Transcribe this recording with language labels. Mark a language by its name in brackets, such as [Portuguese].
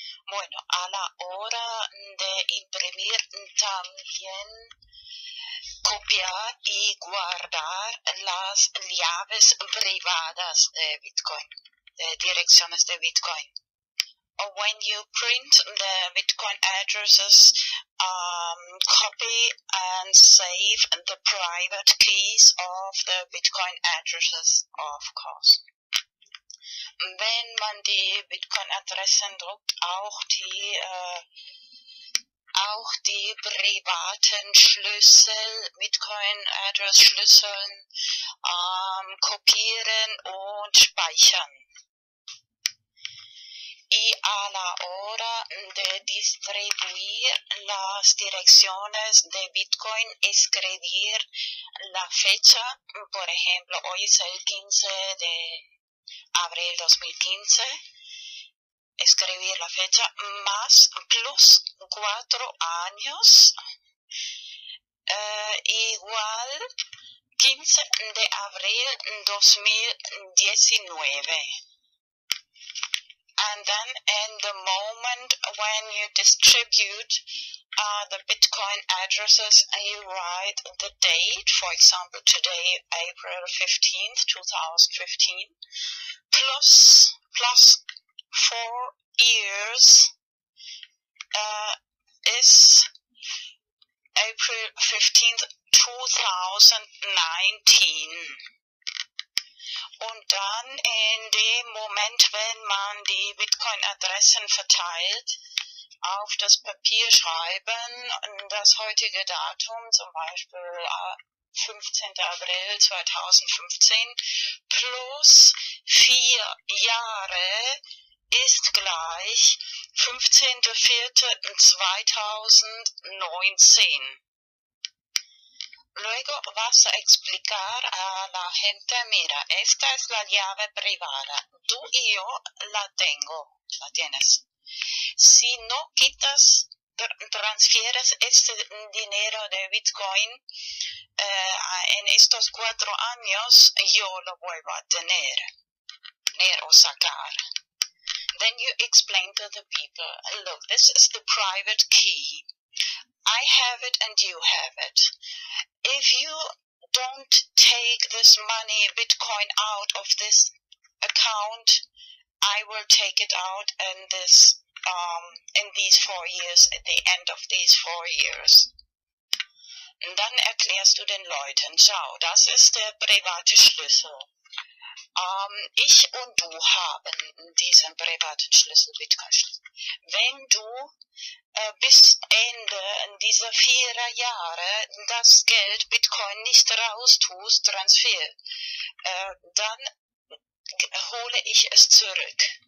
[Spanish] Bueno, a la hora de imprimir también copiar y guardar las llaves privadas de Bitcoin, de direcciones de Bitcoin. [English] When you print the Bitcoin addresses, copy and save the private keys of the Bitcoin addresses, of course. [German] Wenn man die Bitcoin-Adressen druckt, auch die privaten Schlüssel, Bitcoin-Address-Schlüsseln, kopieren und speichern. [Spanish] Y a la hora de distribuir las direcciones de Bitcoin, escribir la fecha, por ejemplo, hoy es el 15 de abril 2015, escribir la fecha más plus 4 años, igual 15 de abril 2019. [English] And then in the moment when you distribute the Bitcoin addresses, you write the date, for example, today, April 15th, 2015, plus 4 years is April 15th, 2019. [German] Und dann in dem Moment, wenn man die Bitcoin-Adressen verteilt, auf das Papier schreiben, das heutige Datum, zum Beispiel 15. April 2015, plus 4 Jahre ist gleich 15.04.2019. [Spanish] Luego vas a explicar a la gente, mira, esta es la llave privada. Tú y yo la tengo, la tienes. Si no quitas, transfieres este dinero de Bitcoin en estos 4 años, yo lo vuelvo a tener o sacar. [English] Then you explain to the people, look, this is the private key. I have it and you have it. If you don't take this money, Bitcoin, out of this account, I will take it out in this, in these 4 years, at the end of these 4 years. [German] Dann erklärst du den Leuten, schau, das ist der private Schlüssel. Ich und du haben diesen privaten Schlüssel Bitcoin. Wenn du bis Ende dieser 4 Jahre das Geld Bitcoin nicht raustust, Transfer, dann hole ich es zurück.